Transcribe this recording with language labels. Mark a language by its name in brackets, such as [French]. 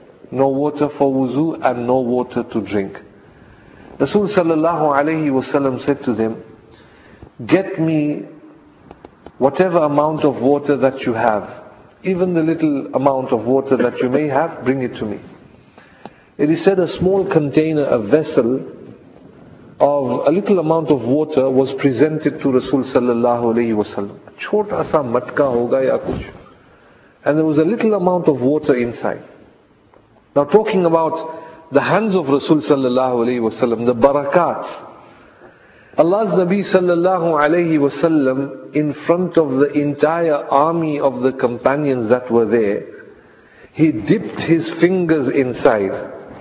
[English] No water for wuzu and no water to drink. Rasul sallallahu alayhi wa sallam said to them, get me whatever amount of water that you have, even the little amount of water that you may have, bring it to me. It is said a small container, a vessel of a little amount of water was presented to Rasul sallallahu alayhi wa sallam. [Urdu] چھوٹا سا مٹکا ہوگا یا کچھ. [English] And there was a little amount of water inside. Now talking about the hands of Rasul sallallahu alayhi wa sallam, the barakat. Allah's Nabi sallallahu alayhi wa sallam, in front of the entire army of the companions that were there, he dipped his fingers inside.